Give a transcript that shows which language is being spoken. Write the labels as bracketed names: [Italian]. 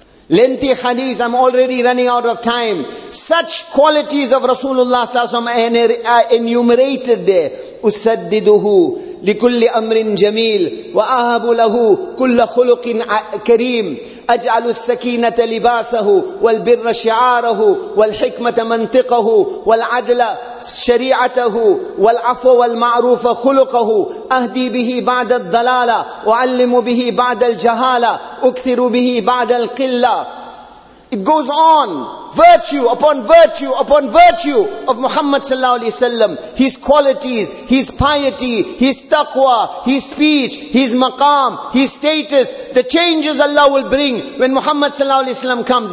[English] Lengthy hadith. I'm already running out of time. Such qualities of Rasulullah sallallahu alaihi wasallam are enumerated there. [Arabic] أسدده لكل أمر جميل وأهب له كل خلق كريم أجعل السكينة لباسه والبر شعاره والحكمة منطقه والعدل شريعته والعفو والمعروف خلقه أهدي به بعد الضلالة أعلم به بعد الجهالة أكثر به بعد القلة [English] It goes on, virtue upon virtue upon virtue of Muhammad sallallahu alaihi wasallam, his qualities, his piety, his taqwa, his speech, his maqam, his status, the changes Allah will bring when Muhammad sallallahu alaihi wasallam comes.